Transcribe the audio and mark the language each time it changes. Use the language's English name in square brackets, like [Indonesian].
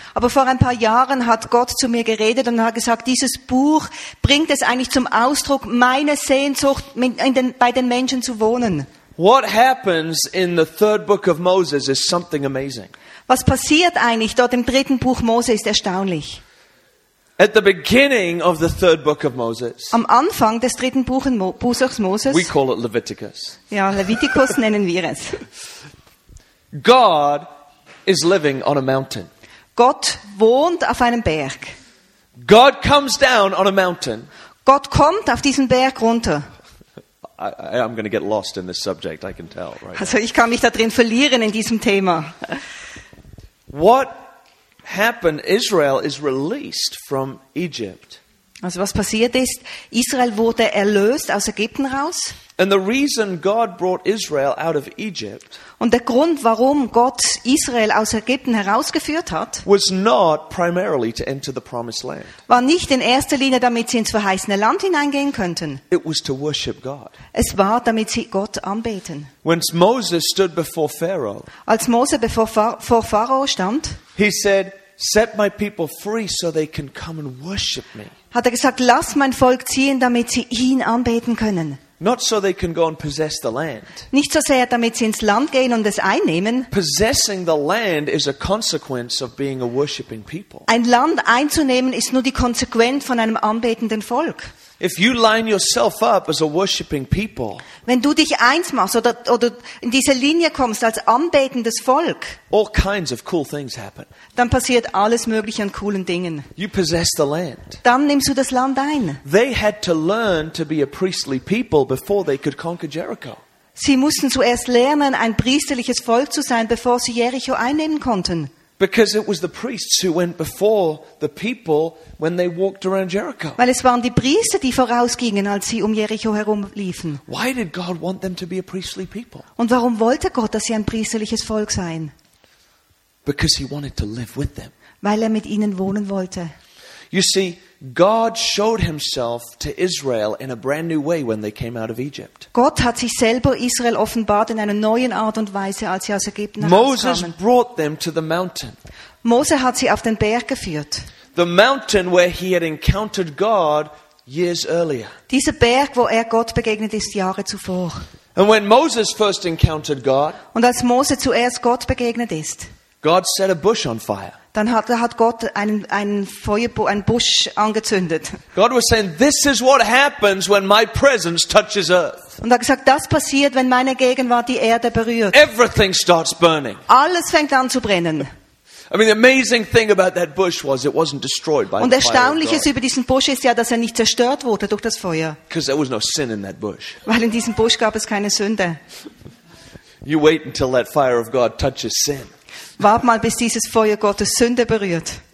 [German] Aber vor ein paar Jahren hat Gott zu mir geredet und hat gesagt, dieses Buch bringt es eigentlich zum Ausdruck, meine Sehnsucht bei den Menschen zu wohnen. [English] What happens in the 3rd book of Moses is something amazing. [German] Was passiert eigentlich dort im 3. Buch Mose ist erstaunlich. [English] At the beginning of the 3rd book of Moses. [German] Am Anfang des 3. Buches Moses. [English] We call it Leviticus. [German] Ja, Leviticus nennen wir es. [English] God is living on a mountain. [German] Gott wohnt auf einem Berg. [English] God comes down on a mountain. [German] Gott kommt auf diesen Berg runter. [English] I'm going to get lost in this subject, I can tell, right? [German] Also, ich kann mich da drin verlieren in diesem Thema. [English] What happened, Israel is released from Egypt. [German] Also was passiert ist, Israel wurde erlöst aus Ägypten raus. [English] And the reason God brought Israel out of Egypt. [German] Und der Grund, warum Gott Israel aus Ägypten herausgeführt hat, [English] was not primarily to enter the promised land. [German] War nicht in erster Linie, damit sie ins verheißene Land hineingehen könnten. [English] It was to worship God. [German] Es war, damit sie Gott anbeten. [English] When Moses stood before Pharaoh. [German] Als Mose vor Pharao stand. [English] He said, "Set my people free, so they can come and worship me." [German] Hat er gesagt, lass mein Volk ziehen, damit sie ihn anbeten können. [English] Not so they can go and possess the land. [German] Nicht so sehr, damit sie ins Land gehen und es einnehmen. [English] Possessing the land is a consequence of being a worshiping people. [German] Ein Land einzunehmen ist nur die Konsequenz von einem anbetenden Volk. [English] If you line yourself up as a worshiping people. [German] Wenn du dich eins machst oder in diese Linie kommst als anbetendes Volk. [English] All kinds of cool things happen. [German] Dann passiert alles mögliche an coolen Dingen. [English] You possess the land. [German] Dann nimmst du das Land ein. [English] They had to learn to be a priestly people before they could conquer Jericho. [German] Sie mussten zuerst lernen, ein priesterliches Volk zu sein, bevor sie Jericho einnehmen konnten. [English] Because it was the priests who went before the people when they walked around Jericho. [German] Weil es waren die Priester, die vorausgingen, als sie um Jericho herumliefen. [English] Why did God want them to be a priestly people? [German] Und warum wollte Gott, dass sie ein priesterliches Volk seien? [English] Because he wanted to live with them. [German] Weil er mit ihnen wohnen wollte. [English] You see, God showed himself to Israel in a brand new way when they came out of Egypt. [German] Gott hat sich selber Israel offenbart in einer neuen Art und Weise, als sie aus Ägypten herauskamen. [English] Moses brought them to the mountain. [German] Mose hat sie auf den Berg geführt. [English] The mountain where he had encountered God years earlier. [German] Dieser Berg, wo er Gott begegnet ist Jahre zuvor. [English] And when Moses first encountered God, [German] und als Mose zuerst Gott begegnet ist, [English] God set a bush on fire. [German] Dann hat Gott einen Busch angezündet. [English] God was saying, this is what happens when my presence touches earth. [German] Und er hat gesagt, das passiert, wenn meine Gegenwart die Erde berührt. [English] Everything starts burning. [German] Alles fängt an zu brennen. [English] I mean, the amazing thing about that bush was it wasn't destroyed by the fire. [German] Und erstaunliches über diesen Busch ist ja, dass er nicht zerstört wurde durch das Feuer. [English] Because there was no sin in that bush. [German] Weil in diesem Busch gab es keine Sünde. [English] You wait until that fire of God touches sin. [German] Wart mal, bis dieses Feuer Gottes Sünde berührt.